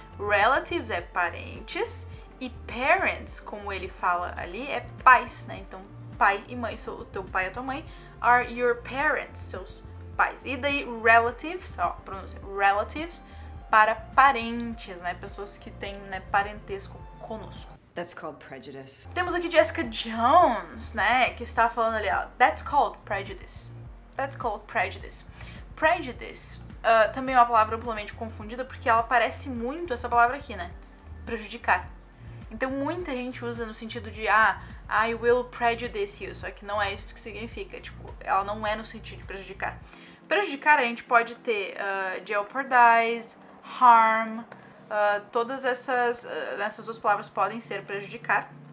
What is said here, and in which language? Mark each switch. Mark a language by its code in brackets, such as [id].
[pt] Relatives é parentes e parents, como ele fala ali, é pais, né? Então, pai e mãe, sou o teu pai e a tua mãe. [en] Are your parents, [pt] seus pais. E daí relatives, ó, pronúncia, relatives, para parentes, né, pessoas que têm, né, parentesco conosco. [en] That's called prejudice. [pt] Temos aqui Jessica Jones, né, que está falando ali, ó, [en] that's called prejudice. That's called prejudice. [pt] Prejudice, também é uma palavra amplamente confundida, porque ela parece muito essa palavra aqui, né, prejudicar. Então muita gente usa no sentido de, [en] I will prejudice you, [pt] só que não é isso que significa, tipo, ela não é no sentido de prejudicar. Prejudicar a gente pode ter jeopardize, harm, todas essas duas palavras podem ser prejudicar.